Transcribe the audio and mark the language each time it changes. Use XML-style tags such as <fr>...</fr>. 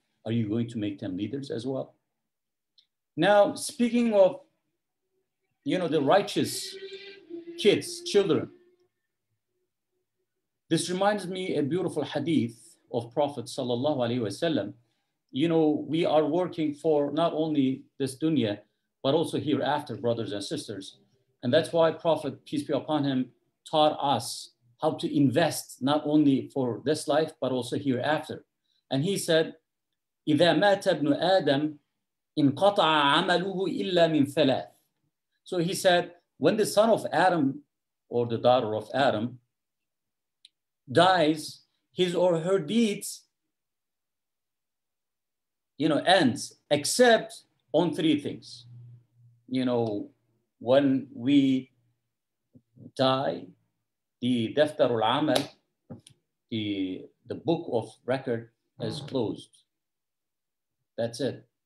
<en>Are you going to make them leaders as well? Now, speaking of, you know, the righteous kids, children, this reminds me a beautiful hadith of Prophet sallallahu alayhi wasallam. You know, we are working for not only this dunya, but also hereafter, brothers and sisters. And that's why Prophet, peace be upon him, taught us how to invest not only for this life, but also hereafter.</en> <ar>And he said, إِذَا مَاتَ ابْنُ آدَمْ إِنْ قَطَعَ عَمَلُهُ إِلَّا مِنْ ثَلَاثٍ.</ar> <en>So he said, when the son of Adam, or the daughter of Adam, dies, his or her deeds, you know, ends except on three things. You know, when we die, the daftar al-amal, the book of record is closed. That's it.</en>